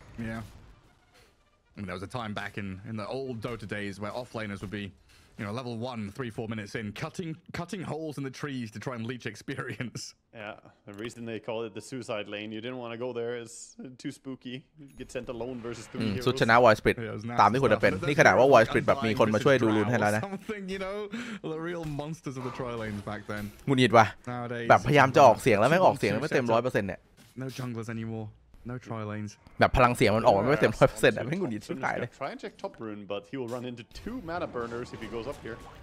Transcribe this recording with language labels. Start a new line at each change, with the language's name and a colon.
English: Yeah and there was a time back in the old Dota days where off laners would beyou know level 1 3 4 minutes in cutting holes in the trees to try and leech experience yeah the reason they call it the suicide lane you didn't want to go there is too spooky you get sent alone versus three heroes
Thai: สุดชนะวอยสปริตตามที่ควรจะเป็นนี่ขนาดว่าวอยสปริตแบบมีคนมาช่วยดูลุ้นให้แล้วนะ
English: something you know the real monsters of the tri lanes back then
Thai: งุนหงิดว่ะแบบพยายามจะออกเสียงแล้วแม่งออกเสียงไม่เต็ม 100% เนี่ย
English: no junglers anymoreNo tri lanes.
Thai: แบบพลังเสียงมันออกไม่เต็ม 100% อ่ะแม่งหุดหงิดชิบหายเลย
English: Try and check top rune but he will run into two mana burners if he goes up here.